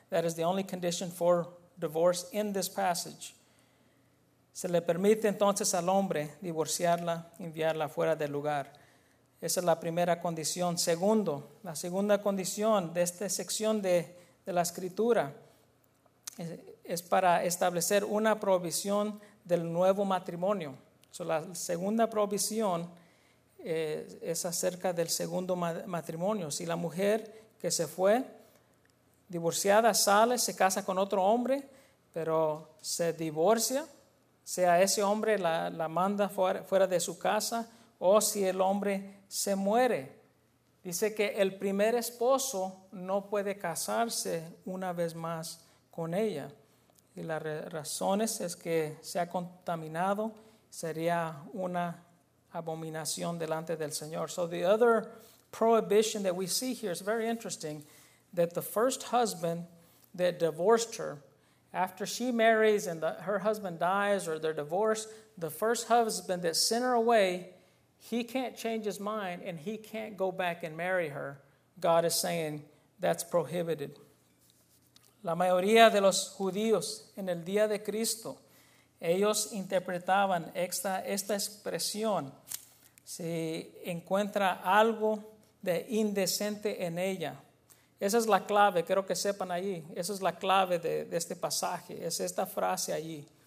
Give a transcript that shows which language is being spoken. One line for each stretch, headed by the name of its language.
English: That is the only condition for divorce in this passage.
Spanish: Se le permite entonces al hombre divorciarla, enviarla fuera del lugar. Esa es la primera condición. Segundo, la segunda condición de esta sección de la Escritura es para establecer una prohibición del nuevo matrimonio. So la segunda prohibición es acerca del segundo matrimonio. Si la mujer que se fue divorciada sale, se casa con otro hombre, pero se divorcia, sea ese hombre la manda fuera de su casa, o si el hombre se muere. Dice que el primer esposo no puede casarse una vez más con ella. Y las razones es que se ha contaminado, sería una abominación delante del Señor.
English: So the other prohibition that we see here is very interesting, that the first husband that divorced her, after she marries and her husband dies or they're divorced, the first husband that sent her away, he can't change his mind and he can't go back and marry her. God is saying that's prohibited.
Spanish: La mayoría de los judíos en el día de Cristo, ellos interpretaban esta expresión. Si encuentra algo de indecente en ella. Esa es la clave, creo que sepan allí. Esa es la clave de este pasaje, es esta frase allí.